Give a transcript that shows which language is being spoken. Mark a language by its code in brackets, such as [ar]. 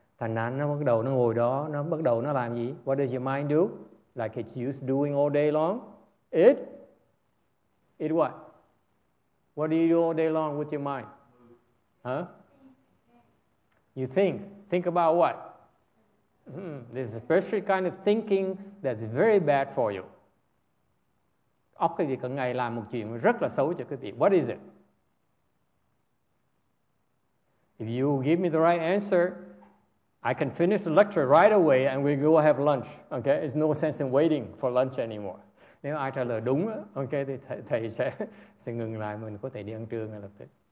[vi] Thành ra nó bắt đầu nó ngồi đó, nó bắt đầu nó làm gì? [en] What does your mind do? Like it's used doing all day long, it what? What do you do all day long with your mind? Huh? You think about what? This is a special kind of thinking that's very bad for you. [vi] Óc cái gì cả ngày làm một chuyện rất là xấu cho cái gì. [en] What is it? If you give me the right answer, I can finish the lecture right away and we go have lunch. Okay, it's no sense in waiting for lunch anymore. [vi] Nếu ai trả lời đúng, okay, thì thầy sẽ ngừng lại, mình có thể đi ăn trưa ngay lập tức.